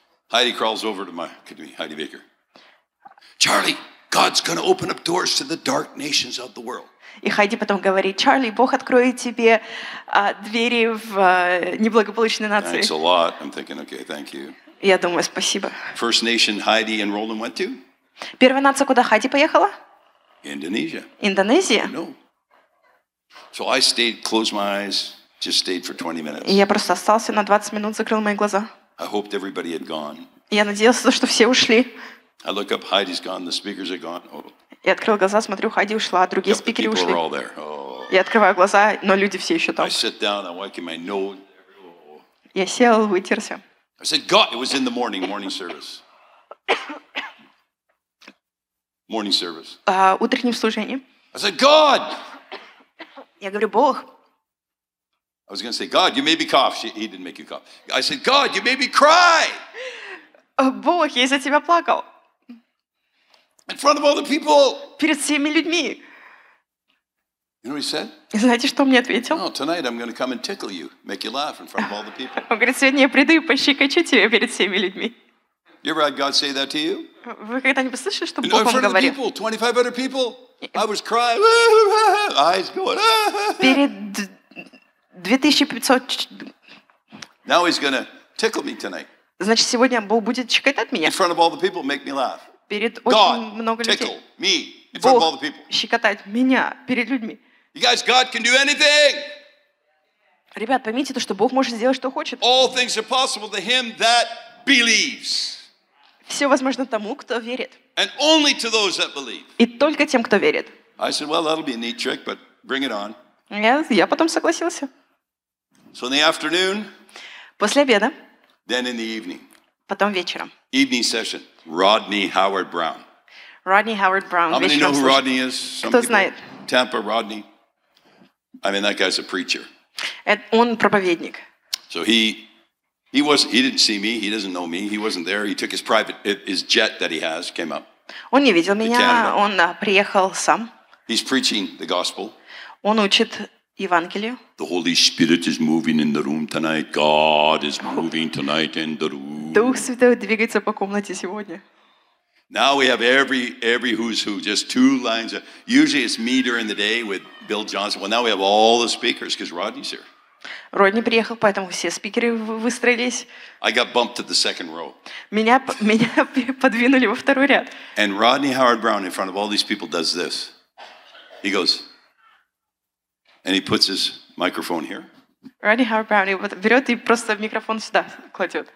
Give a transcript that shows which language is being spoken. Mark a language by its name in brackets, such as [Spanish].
[English] Heidi crawls over to my, could be Heidi Baker. Charlie, God's going to open up doors to the dark nations of the world. [Russian] И Heidi потом говорит, Charlie, Бог откроет тебе двери в неблагополучные нации. [English] Thanks a lot. I'm thinking, okay, thank you. [Russian] Я думаю, спасибо. [English] First nation Heidi and Roland went to? [Russian] Первая нация, куда Heidi поехала? [English] Indonesia. [Russian] Индонезия? [English] No. So I stayed, closed my eyes, just stayed for 20 minutes. [Russian] Я просто остался на 20 минут, закрыл мои глаза. [English] I hoped everybody had gone. [Russian] Я надеялся, что все ушли. [English] I look up, Heidi's gone, the speakers are gone. Oh. [Russian] Я открыл глаза, смотрю, Heidi ушла, а другие [English] yep, [Russian] спикеры [English] people [Russian] ушли. [English] Were all there. Oh. [Russian] Я открываю глаза, но люди все еще там. [English] I sit down, I'm wiping my nose. Oh. [Russian] Я сел, вытерся. [English] I said, God, it was in the morning service. Morning service. [Russian] Утреннем служении. [English] I said, God! [Russian] Я говорю, Бог. [English] I was going to say, God, you made me cough. He didn't make you cough. I said, God, you made me cry. [Russian] Oh, Бог, я из-за тебя плакал. [English] In front of all the people. [Russian] Перед всеми людьми. [English] You know what he said? [Russian] И знаете, что он мне ответил? [English] No, tonight I'm going to come and tickle you, make you laugh in front of all the people. [Russian] Он говорит, сегодня я приду и пощекочу тебя перед всеми людьми. [English] You ever had God say that to you? [Russian] Вы когда-нибудь слышали, что Бог вам говорил? [English] In front of the people, 2,500 people. I was crying. Eyes going. [Russian] Перед... 2500. [English] Now he's gonna tickle me tonight. [Russian] Значит, сегодня Бог будет щекотать меня. [English] In front of all the people, make me laugh. [Russian] Перед [English] God, [Russian] очень много людей. [English] Tickle me in front [Russian] Бог [English] of all the people. [Russian] Щекотать меня перед людьми. [English] You guys, God can do anything. [Russian] Ребят, поймите то, что Бог может сделать, что хочет. [English] All things are possible to him that believes. [Russian] Все возможно тому, кто верит. [English] And only to those that believe. [Russian] И только тем, кто верит. [English] I said, well, that'll be a neat trick, but bring it on. [Russian] Я потом согласился. [English] So in the afternoon, [Russian] после обеда. [English] Then in the evening, [Russian] потом вечером. [English] Evening session. Родни Хауэрд Браун. [Russian] Родни Хауэрд Браун. [English] How many know who Rodney is? Some [Russian] кто знает? [English] Tampa Rodney. I mean, that guy's a preacher. [Russian] Он проповедник. [English] So he didn't see me. He doesn't know me. He wasn't there. He took his private his jet that he has came up. [Russian] Он не видел меня. Он приехал сам. [English] He's preaching the gospel. [Russian] Он учит Евангелию. [English] The Holy Spirit is moving in the room tonight. God is moving tonight in the room. [Russian] Дух Святой двигается по комнате сегодня. [English] Now we have every who's who, just two lines. Usually it's me during the day with Bill Johnson. Well, now we have all the speakers because Rodney's here. [Russian] Родни приехал, поэтому все спикеры выстроились. [English] I got bumped to the second row. [Russian] Меня подвинули во второй ряд. [English] And Rodney Howard Brown in front of all these people does this. He goes... And he puts his microphone here. Ready, Howard Brown? [Russian] He берет и просто микрофон сюда кладет.